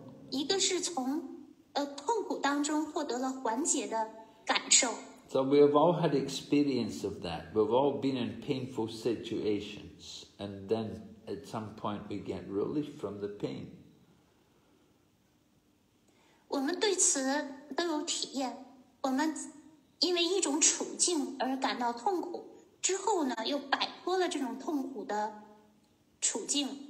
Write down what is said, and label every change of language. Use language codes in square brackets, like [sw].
[zh] 一个是从 痛苦当中获得了缓解的感受。 [en] So we have all had experience of that. We've all been in painful situations, and then at some point we get relief from the pain. [zh] 我们对此都有体验。我们因为一种处境而感到痛苦，之后呢又摆脱了这种痛苦的处境。